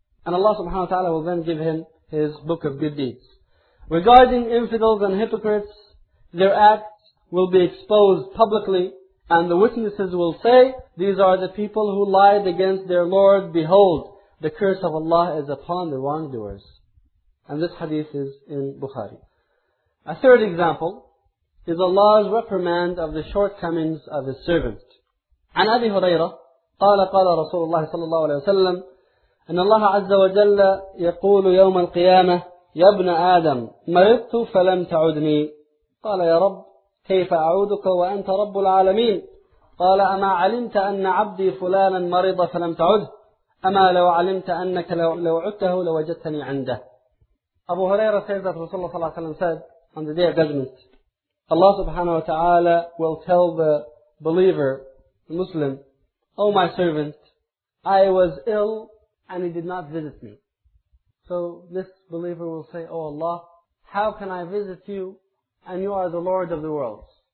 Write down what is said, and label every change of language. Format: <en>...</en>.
<en>And Allah subhanahu wa ta'ala will then give him his book of good deeds. Regarding infidels and hypocrites, their acts will be exposed publicly, and the witnesses will say, these are the people who lied against their Lord. Behold, the curse of Allah is upon the wrongdoers. And this hadith is in Bukhari. A third example is Allah's reprimand of the shortcomings of His servant.</en> <ar>عن أبي هريرة قال قال رسول الله صلى الله عليه وسلم أن الله عز وجل يقول يوم القيامة يا ابن آدم مرضت فلم تعدني قال يا رب كيف أعودك وأنت رب العالمين قال أما علمت أن عبدي فلانا مرض فلم تعد أما لو علمت أنك لو عدته لوجدتني عنده.</ar> <en>أبو هريرة says that</en> <ar>رسول الله صلى الله عليه وسلم</ar> <en>said on the day of judgment Allah subhanahu wa ta'ala will tell the believer Muslim, oh my servant, I was ill and he did not visit me. So this believer will say, oh Allah, how can I visit you and you are the Lord of the worlds?</en>